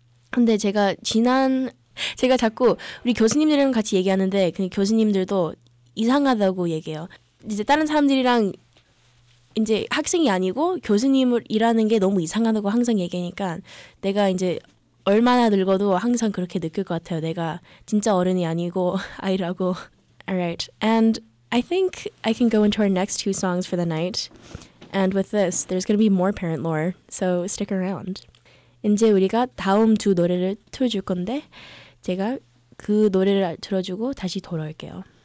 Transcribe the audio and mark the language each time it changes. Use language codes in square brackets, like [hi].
[ko] 근데 제가 자꾸 우리 교수님들이랑 같이 얘기하는데 근데 교수님들도 이상하다고 얘기해요. 이제 다른 사람들이랑 이제 학생이 아니고 교수님을 일하는 게 너무 이상하다고 항상 얘기하니까 내가 이제 얼마나 늙어도 항상 그렇게 느낄 것 같아요. 내가 진짜 어른이 아니고 아이라고. [en] Alright, and I think I can go into our next two songs for the night. And with this, there's going to be more parent lore, so stick around. [ko] 이제 우리가 다음 두 노래를 틀어줄 건데 제가 그 노래를 틀어주고 다시 돌아올게요.